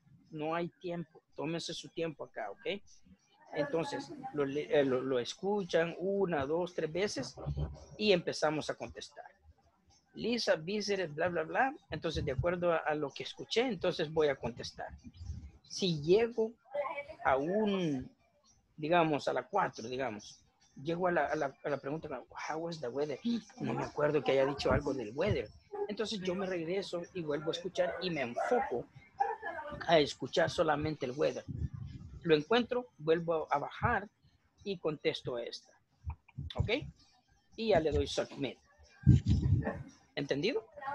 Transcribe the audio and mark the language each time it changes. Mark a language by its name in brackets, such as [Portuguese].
[Spanish] No hay tiempo, tómense su tiempo acá, ¿ok? Entonces, lo escuchan 1, 2, 3 veces y empezamos a contestar. Lisa, visited, bla, bla, bla. Entonces, de acuerdo a lo que escuché, entonces voy a contestar. Si llego a la pregunta, [English] how was the weather? [Spanish] No me acuerdo que haya dicho algo del weather. Entonces, yo me regreso y vuelvo a escuchar y me enfoco a escuchar solamente el weather. Lo encuentro, vuelvo a bajar y contesto a esta. ¿Ok? Y ya le doy submit. ¿Entendido?